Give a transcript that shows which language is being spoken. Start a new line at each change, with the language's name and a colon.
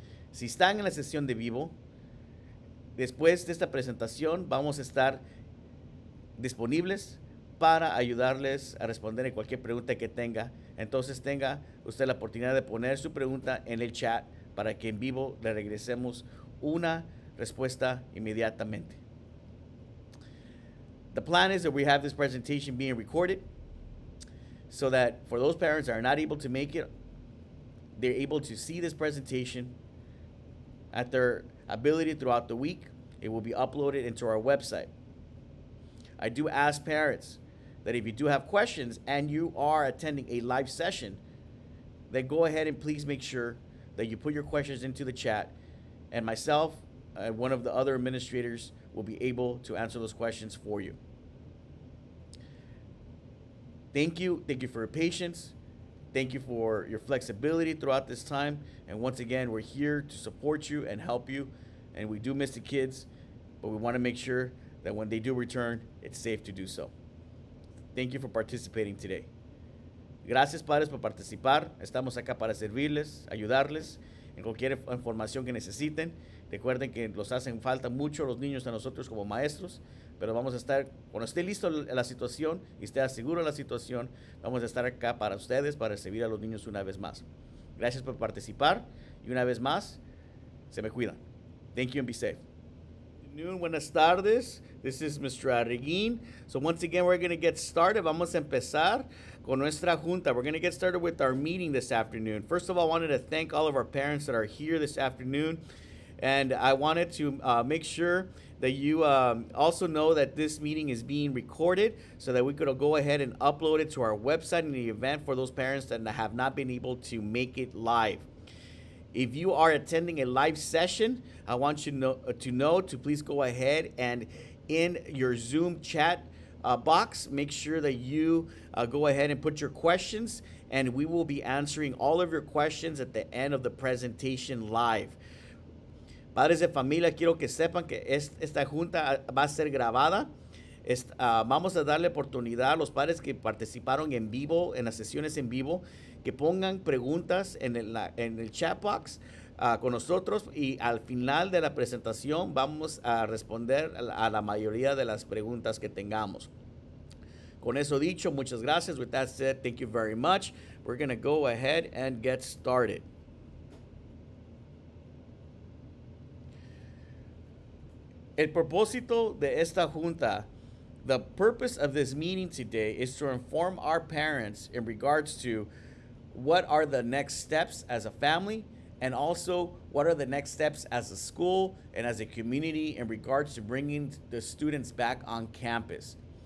Spanish: Si están en la sesión de vivo, después de esta presentación vamos a estar disponibles para ayudarles a responder cualquier pregunta que tenga. Entonces tenga usted la oportunidad de poner su pregunta en el chat para que en vivo le regresemos una respuesta inmediatamente.
English: The plan is that we have this presentation being recorded so that for those parents that are not able to make it, they're able to see this presentation at their ability throughout the week. It will be uploaded into our website. I do ask parents that if you do have questions and you are attending a live session, then go ahead and please make sure that you put your questions into the chat, and myself and one of the other administrators will be able to answer those questions for you. Thank you. Thank you for your patience. Thank you for your flexibility throughout this time. And once again, we're here to support you and help you. And we do miss the kids, but we want to make sure that when they do return, it's safe to do so. Thank you for participating today.
Spanish: Gracias, padres, por participar. Estamos acá para servirles, ayudarles en cualquier información que necesiten. Recuerden que nos hacen falta mucho los niños a nosotros como maestros, pero vamos a estar, cuando esté listo la situación y esté seguro la situación, vamos a estar acá para ustedes, para servir a los niños una vez más. Gracias por participar y una vez más, se me cuidan.
English: Thank you and be safe. Noon,
Spanish: buenas tardes.
English: This is Mr. Arreguín. So once again, we're going to get started.
Spanish: Vamos a empezar con nuestra junta.
English: We're going to get started with our meeting this afternoon. First of all, I wanted to thank all of our parents that are here this afternoon. And I wanted to make sure that you also know that this meeting is being recorded so that we could go ahead and upload it to our website in the event for those parents that have not been able to make it live. If you are attending a live session, I want you to know to please go ahead and in your Zoom chat box. Make sure that you go ahead and put your questions, and we will be answering all of your questions at the end of the presentation live.
Spanish: Padres de familia, quiero que sepan que esta junta va a ser grabada. Vamos a darle oportunidad a los padres que participaron en vivo, en las sesiones en vivo, que pongan preguntas en el chat box con nosotros, y al final de la presentación vamos a responder a la mayoría de las preguntas que tengamos. Con eso dicho, muchas gracias.
English: With that said, thank you very much. We're going to go ahead and get started.
Spanish: El propósito de esta junta,
English: the purpose of this meeting today, is to inform our parents in regards to what are the next steps as a family, and also what are the next steps as a school and as a community in regards to bringing the students back on campus.